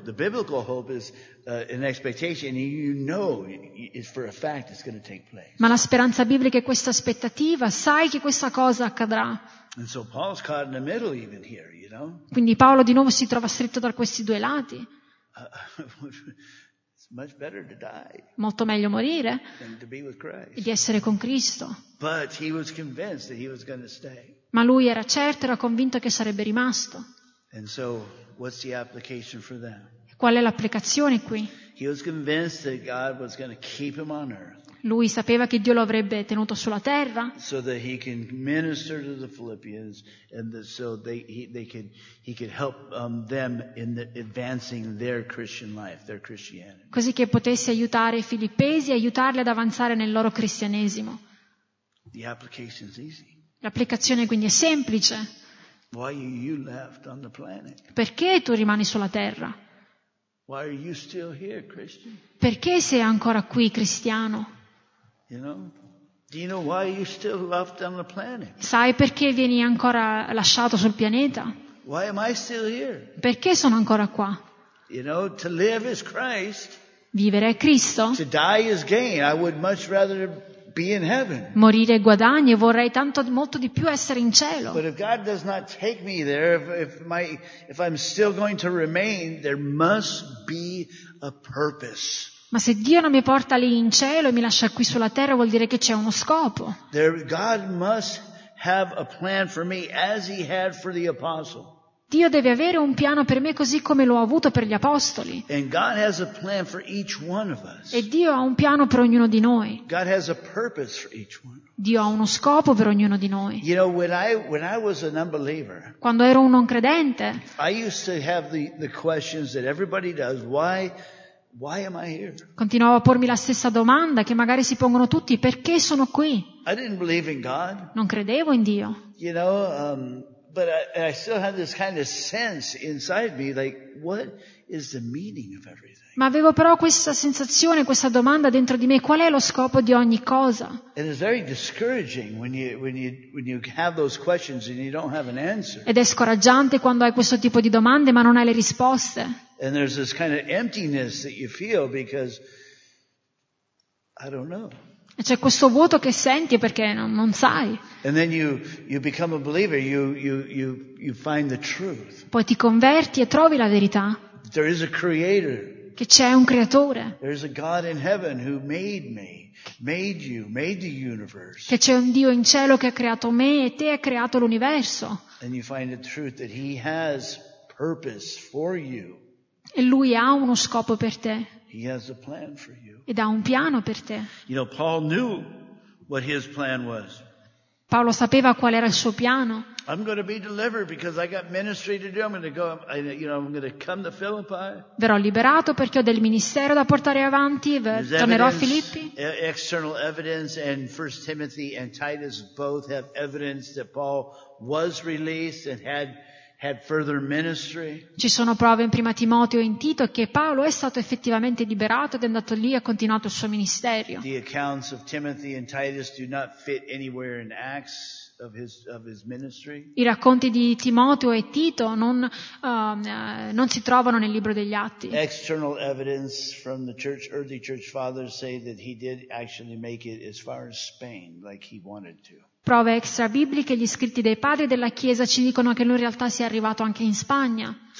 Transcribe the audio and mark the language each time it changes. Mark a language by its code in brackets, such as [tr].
[en] The biblical hope is an expectation, and you know it's for a fact it's going to take place. [it] Ma la speranza biblica è questa aspettativa. Sai che questa cosa accadrà. [en] And so Paul's caught in the middle even here, you know. [it] Quindi Paolo di nuovo si trova stretto da questi due lati. [en] It's much better to die. [it] Molto meglio morire. [en] Than to be with Christ. [it] E di essere con Cristo. [en] But he was convinced that he was going to stay. [it] Ma lui era certo, era convinto che sarebbe rimasto. [en] And so, what's the application for them? [it] Qual è l'applicazione qui? [en] He was convinced that God was going to keep him on earth. [it] Lui sapeva che Dio lo avrebbe tenuto sulla terra. [en] So that he can minister to the Philippians and so they could help them in advancing their Christian life, their Christianity. [it] Così che potesse aiutare i filippesi, aiutarli ad avanzare nel loro cristianesimo. [en] The application is easy. [it] L'applicazione quindi è semplice. [en] Why are you left on the planet? [it] Perché tu rimani sulla terra? [en] Why are you still here, Christian? [it] Perché sei ancora qui, cristiano? [en] You know? Do you know why you're still left on the planet? [it] Sai perché vieni ancora lasciato sul pianeta? [en] Why am I still here? [it] Perché sono ancora qua? [en] You know, to live is Christ. [it] Vivere è Cristo. [en] To die is gain. I would much rather be in heaven. [it] Morire guadagno, vorrei tanto molto di più essere in cielo. [en] But if God does not take me there, if I'm still going to remain, there must be a purpose. [it] Ma se Dio non mi porta lì in cielo e mi lascia qui sulla terra, vuol dire che c'è uno scopo. [en] There, God must have a plan for me as he had for the apostle. [it] Dio deve avere un piano per me così come lo ha avuto per gli apostoli. [en] And God has a plan for each one of us. [it] E Dio ha un piano per ognuno di noi. [en] God has a purpose for each one. [it] Dio ha uno scopo per ognuno di noi. [en] You know, when I was an unbeliever, [it] quando ero un non credente, [en] I used to have the questions that everybody does, why am I here? [it] Continuavo a pormi la stessa domanda che magari si pongono tutti: perché sono qui? [en] I didn't believe in God. [it] Non credevo in Dio. [en] You know, but I still had this kind of sense inside me, like, what is the meaning of everything? [it] Ma avevo però questa sensazione, questa domanda dentro di me: qual è lo scopo di ogni cosa? [en] And it's very discouraging when you have those questions and you don't have an answer. [it] Ed è scoraggiante quando hai questo tipo di domande ma non hai le risposte. [en] And there's this kind of emptiness that you feel because I don't know. [it] E c'è questo vuoto che senti perché non sai. [en] And then you become a believer, you find the truth. [it] Poi ti converti e trovi la verità. [en] There is a creator. [it] Che c'è un creatore. [en] There is a God in heaven who made me, made you, made the universe. [it] Che c'è un Dio in cielo che ha creato me e te ha creato l'universo. [en] And you find the truth that he has purpose for you. [it] E lui ha uno scopo per te. [en] He has a plan for you. [it] Ed ha un piano per te. [en] You know, Paul knew what his plan was. [it] Paolo sapeva qual era il suo piano. [en] I'm going to be delivered because I got ministry to do. I'm going to go, you know, I'm going to come to Philippi. [it] Verrò liberato perché ho del ministero da portare avanti. Tornerò a Filippi. [en] External evidence and 1 Timothy and Titus both have evidence that Paul was released and had further ministry. [it] Ci sono prove in Prima Timoteo e in Tito che Paolo è stato effettivamente liberato ed è andato lì e ha continuato il suo ministerio. [en] The accounts of Timothy and Titus do not fit anywhere in Acts of his ministry. [it] I racconti di Timoteo e Tito non si trovano nel libro degli Atti. [en] External evidence from the church, early church fathers say that he did actually make it as far as Spain, like he wanted to. [it] Prove extra bibliche, gli scritti dei padri della Chiesa ci dicono che lui in realtà sia arrivato anche in Spagna.